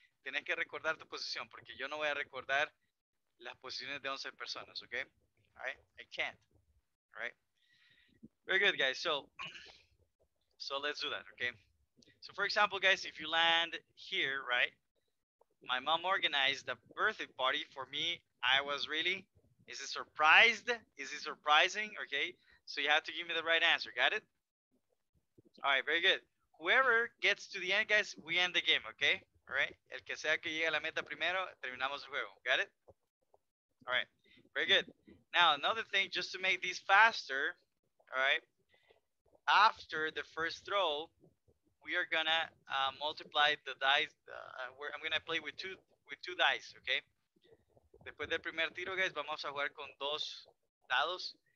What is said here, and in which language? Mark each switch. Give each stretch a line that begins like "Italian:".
Spanish: Tienes que recordar tu posición, porque yo no voy a recordar las posiciones de 11 personas, okay?
English: All right, I can't, all right? Very good, guys, so let's do that, okay? So for example, guys, if you land here, right? My mom organized a birthday party for me. I was really, is it surprising, okay? So you have to give me the right answer. Got it? All right, very good. Whoever gets to the end, guys, we end the game, okay? All right?
Spanish: El que sea que llegue a la meta primero, terminamos el juego.
English: Got it? All right, very good. Now, another thing, just to make this faster, all right, after the first throw, we are going to multiply the dice. I'm going to play with two dice, okay?
Spanish: Después del primer tiro, guys, vamos a jugar con dos dados.